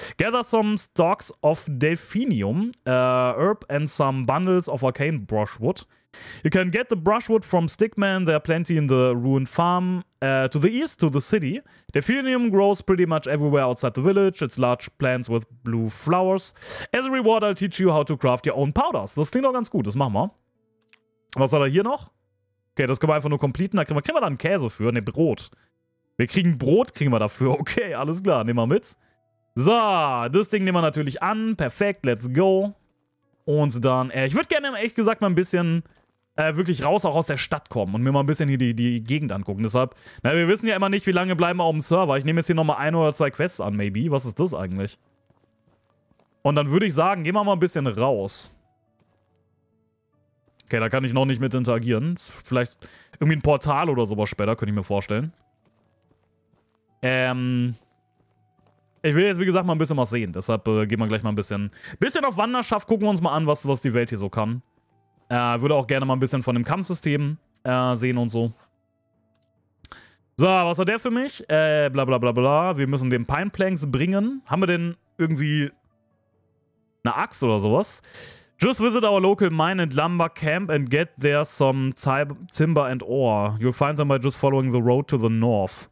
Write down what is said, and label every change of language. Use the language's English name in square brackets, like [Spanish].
[English] Gather some stalks of delphinium, herb, and some bundles of arcane brushwood. You can get the brushwood from Stickman, there are plenty in the ruined farm. To the east, to the city. Delphinium grows pretty much everywhere outside the village. It's large plants with blue flowers. As a reward, I'll teach you how to craft your own powders. [German] Das klingt doch ganz gut, das machen wir. Was hat er hier noch? Okay, das können wir einfach nur completen. Da kriegen wir dann Käse für, ne, Brot. Brot kriegen wir dafür. Okay, alles klar, nehmen wir mit. So, das Ding nehmen wir natürlich an. [English] Perfekt, let's go. [German] Und dann, ich würde gerne, ehrlich gesagt, mal ein bisschen wirklich raus, auch aus der Stadt kommen und mir mal ein bisschen hier die Gegend angucken. Deshalb, na, wir wissen ja immer nicht, wie lange bleiben wir auf dem Server. Ich nehme jetzt hier nochmal ein oder zwei Quests an, maybe. Was ist das eigentlich? Und dann würde ich sagen, gehen wir mal ein bisschen raus. Okay, da kann ich noch nicht mit interagieren. Vielleicht irgendwie ein Portal oder sowas später, könnte ich mir vorstellen. Ich will jetzt, wie gesagt, mal ein bisschen was sehen. Deshalb gehen wir gleich mal ein bisschen auf Wanderschaft. Gucken wir uns mal an, was die Welt hier so kann. Würde auch gerne mal ein bisschen von dem Kampfsystem sehen und so. So, was hat der für mich? Bla bla bla bla. Wir müssen den Pine Planks bringen. Haben wir denn irgendwie eine Axt oder sowas? [English] Just visit our local mine and lumber camp and get there some timber and ore. You'll find them by just following the road to the north.